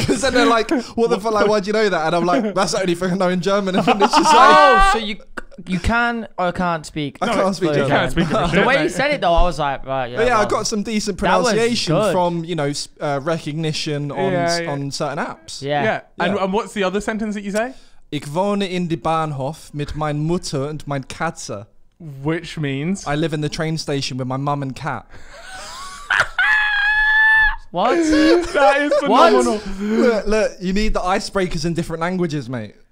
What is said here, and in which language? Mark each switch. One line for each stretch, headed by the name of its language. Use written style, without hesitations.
English: Because then they're like, what the fuck? Like, why do you know that? And I'm like, that's the only thing I know in German. And it's just like, oh, so you can or can't speak? I can't speak German. Can't speak the way you said it though, I was like, right. Yeah, but yeah, well, I got some decent pronunciation from, you know, recognition on certain apps. Yeah. And what's the other sentence that you say?
German: Ich wohne in die Bahnhof mit mein Mutter und mein Katze.
English: Which means? I live in the train station with my mum and cat. What? That is phenomenal. What? Look, you need the icebreakers in different languages, mate.